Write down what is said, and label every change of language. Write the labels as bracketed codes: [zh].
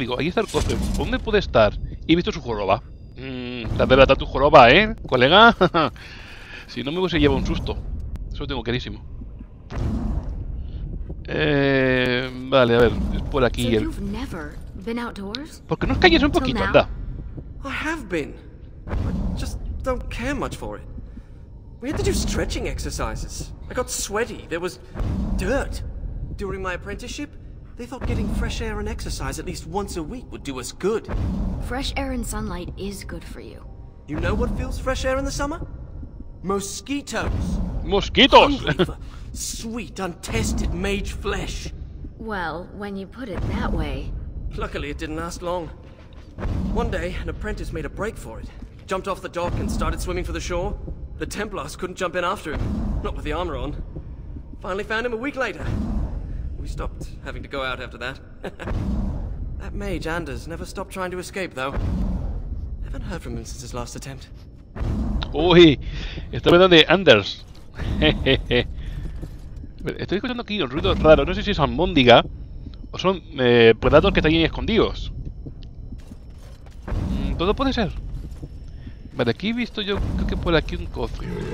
[es] Digo, ahí está el cofre. ¿Dónde puede estar? Y he visto su joroba. La verdad, tu joroba, colega. Si no me hubiese llevado un susto. Eso lo tengo clarísimo. Vale, a ver, es por aquí. ¿Entonces el... nunca has ido outdoors? ¿Por qué no calles un poquito, anda? [en] I have been. I just don't care much for it. We had to do stretching exercises. I got sweaty. There was dirt. During my apprenticeship, they thought getting fresh air and exercise at least once a week would do us good. Fresh air and sunlight is good for you. You know what feels fresh air in the summer? Mosquitoes. [es] Mosquitos. [en] Sweet, untested mage flesh. Well, when you put it that way. Luckily, it didn't last long. One day, an apprentice made a break for it. Jumped off the dock and started swimming for the shore. The Templars couldn't jump in after him, not with the armor on. Finally found him a week later. We stopped having to go out after that. That mage Anders never stopped trying to escape, though. Haven't heard from him since his last attempt. [es] Uy, estoy hablando de Anders. Estoy escuchando aquí un ruido raro. No sé si es almóndiga o son predatos que están ahí escondidos. Todo puede ser. Vale, aquí he visto yo, creo que por aquí un cofre.